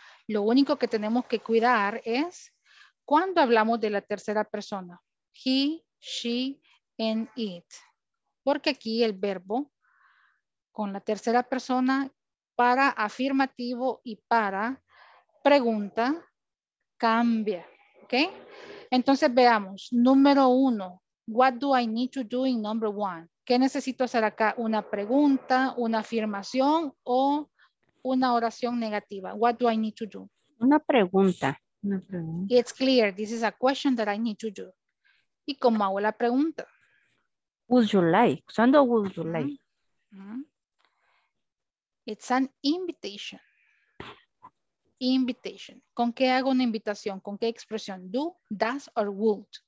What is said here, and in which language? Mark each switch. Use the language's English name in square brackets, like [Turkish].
[Spanish] Lo único que tenemos que cuidar es cuando hablamos de la tercera persona. [English] He, she, and it. [Spanish] Porque aquí el verbo con la tercera persona para afirmativo y para pregunta cambia. ¿Okay? Entonces veamos. Número uno. [English] What do I need to do in number one? [Spanish] ¿Qué necesito hacer acá? ¿Una pregunta, una afirmación o una oración negativa? [English] What do I need to do? [Spanish] Una pregunta. [English] It's clear. This is a question that I need to do. [Spanish] ¿Y cómo hago la pregunta? [English] Would you like? [Spanish] ¿Cuándo [English] would you like? It's an invitation. Invitation. [Spanish] ¿Con qué hago una invitación? ¿Con qué expresión? [English] Do, does, or would?